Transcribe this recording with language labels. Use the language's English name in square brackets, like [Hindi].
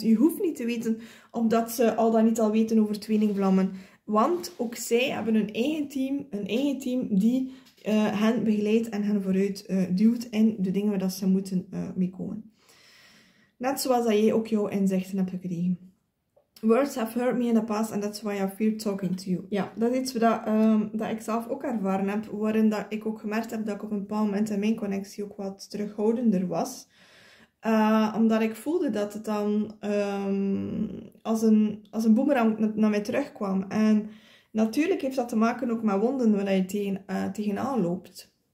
[Dutch] Je hoeft niet te weten omdat ze al dan niet al weten over tweelingvlammen. Want ook zij hebben een eigen team die hen begeleidt en hen vooruit duwt in de dingen waar dat ze moeten meekomen. Net zoals dat jij ook jouw inzichten hebt gekregen. [English] Words have hurt me in the past and that's why I fear talking to you. [Dutch] Ja, dat is iets dat ik zelf ook ervaren heb, waarin dat ik ook gemerkt heb dat ik op een bepaald moment in mijn connectie ook wat terughoudender was. Omdat ik voelde dat het dan als een boemerang naar mij terugkwam. En natuurlijk heeft dat te maken ook met wonden waar je tegenaan loopt.